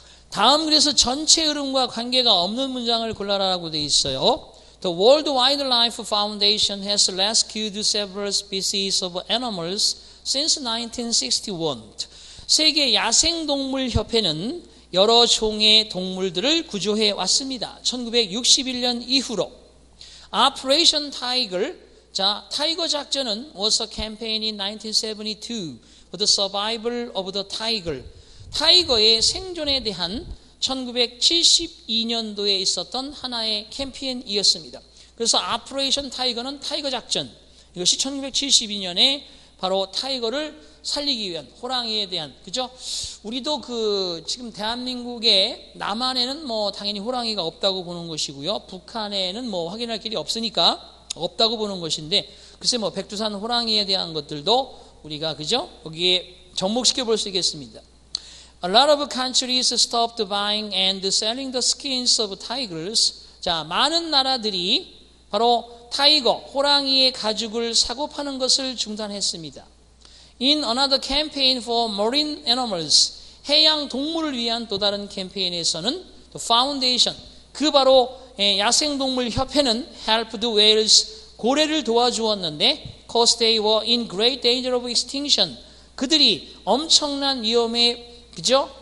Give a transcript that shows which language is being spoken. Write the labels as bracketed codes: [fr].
[ko] 다음 그래서 전체 흐름과 관계가 없는 문장을 골라라라고 되어 있어요. [en] The World Wildlife Foundation has rescued several species of animals since 1961. [ko] 세계 야생동물협회는 여러 종의 동물들을 구조해 왔습니다. 1961년 이후로. [en] Operation Tiger, 자, [ko] 타이거 작전은 [en] was a campaign in 1972 for the survival of the tiger. [ko] 타이거의 생존에 대한 1972년도에 있었던 하나의 캠페인이었습니다. 그래서 Operation Tiger는 타이거 작전, 이것이 1972년에 바로 타이거를 살리기 위한 호랑이에 대한, 그죠? 우리도 그 지금 대한민국에 남한에는 뭐 당연히 호랑이가 없다고 보는 것이고요. 북한에는 뭐 확인할 길이 없으니까 없다고 보는 것인데, 글쎄 뭐 백두산 호랑이에 대한 것들도 우리가 그죠? 거기에 접목시켜 볼 수 있겠습니다. [en] A lot of countries stopped buying and selling the skins of tigers. [ko] 자, 많은 나라들이 바로 타이거, 호랑이의 가죽을 사고 파는 것을 중단했습니다. [en] In another campaign for marine animals, [ko] 해양 동물을 위한 또 다른 캠페인에서는 [en] the foundation, [ko] 그 바로 야생동물협회는 [en] helped whales, [ko] 고래를 도와주었는데 [en] because they were in great danger of extinction, [ko] 그들이 엄청난 위험에, 그죠?